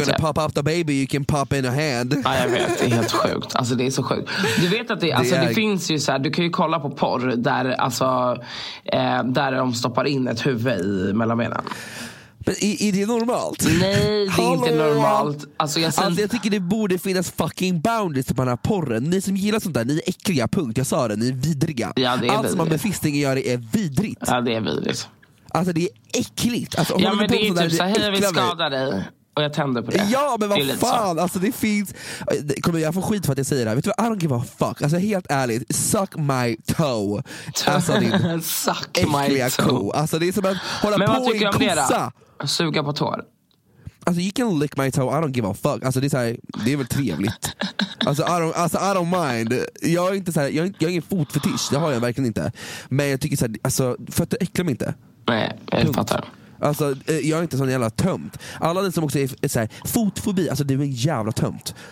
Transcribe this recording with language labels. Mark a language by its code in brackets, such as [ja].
[en] If you're gonna pop up the baby, you can pop in a hand. [sv] Ja, jag vet, det är helt sjukt. Alltså, det är så sjukt. Du vet att det finns ju så här, du kan ju kolla på porr där, alltså, där de stoppar in ett huvud i mellanbenen. Men är det normalt? Nej, det är inte normalt. Alltså, jag tycker det borde finnas [en] fucking boundaries [sv] på den här porren. Ni som gillar sånt där, ni är äckliga, punkt. Jag sa det, ni är vidriga. Ja, det är allt som man med fistingen gör är vidrigt. Ja, det är vidrigt. Alltså det är äckligt, alltså, ja, men det är inte så här, vi skadar dig. Och jag tänder på det. Ja, men vad fan, alltså det finns. Kommer jag få skit för att jag säger det här? Vet du vad, [en] I don't give a fuck. [sv] Alltså helt ärligt, [en] suck my toe. [sv] Alltså din [en] suck my toe. Ko. [sv] Alltså det är som att hålla men på vad tycker en kossa. Suga på tår. [en] Alltså you can lick my toe, I don't give a fuck. [sv] Alltså det är så här, det är väl trevligt. Alltså [en] I don't mind. [sv] Jag är inte så här, jag är ingen fotfetisch. Det har jag verkligen inte. Men jag tycker så här, alltså fötter äcklar mig inte. Nej, jag fattar. Alltså jag är inte sån jävla tömt. Alla de som också är så här, fotfobi, alltså det är en jävla tömt.